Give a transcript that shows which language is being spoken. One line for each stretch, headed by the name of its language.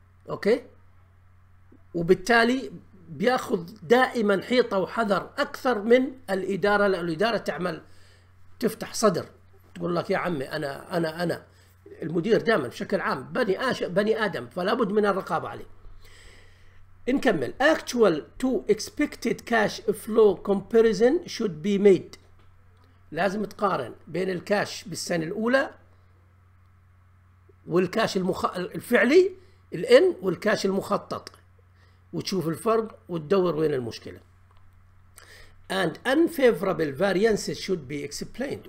Arabic: أوكي، وبالتالي بيأخذ دائما حيطة وحذر أكثر من الإدارة، لأن الإدارة تعمل تفتح صدر تقول لك يا عمي أنا أنا أنا. المدير دائما بشكل عام بني آدم، فلا بد من الرقابة عليه. نكمل.
English: Actual to expected cash flow comparison should be made.
Arabic: لازم تقارن بين الكاش بالسنة الأولى والكاش الفعلي الان والكاش المخطط، وتشوف الفرق وتدور وين المشكلة.
English: And unfavorable variances should be explained.